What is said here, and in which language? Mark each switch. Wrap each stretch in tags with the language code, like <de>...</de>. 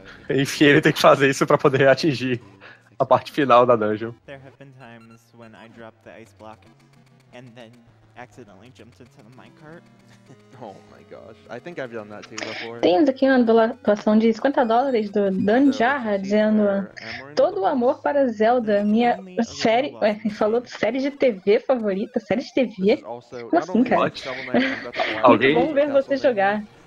<pt>Enfim, ele tem que fazer isso pra poder atingir a parte final da dungeon.</pt> <en>There have been times when I dropped the ice block and then accidentally jumped into the minecart. Oh my gosh. I think I've done that too before.</en> <pt>Temos aqui uma doação de $50 do Dan Jarra dizendo todo o amor para Zelda, minha série. Ué, falou de série de TV favorita, série de TV. Como assim, cara? Alguém? Vamos ver você jogar.</pt>